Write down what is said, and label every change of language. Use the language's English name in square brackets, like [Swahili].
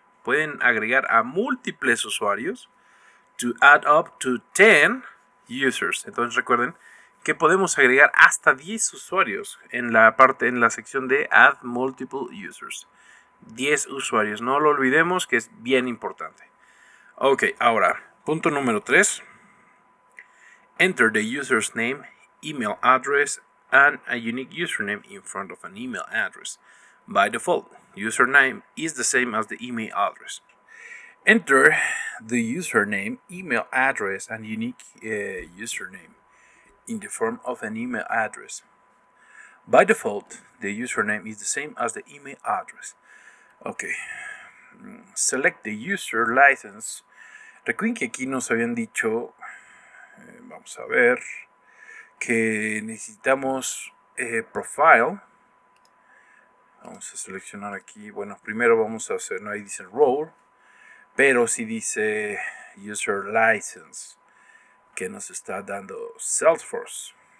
[Spanish] Pueden agregar a múltiples usuarios [English] to add up to 10 users. [Spanish] Entonces recuerden que podemos agregar hasta 10 usuarios en la parte, en la sección de add multiple users. 10 usuarios, no lo olvidemos, que es bien importante. Ok, ahora punto número 3. [English] Enter the user's name, email address, and a unique username in front of an email address. By default, username is the same as the email address. Enter the username, email address, and unique username in the form of an email address. By default, the username is the same as the email address. Okay. Select the user license. [Spanish] Recuerden que aquí nos habían dicho, vamos a ver, que necesitamos profile. Vamos a seleccionar aquí. Bueno, primero vamos a hacer, no, ahí dice role. Pero si dice User License, que nos está dando Salesforce.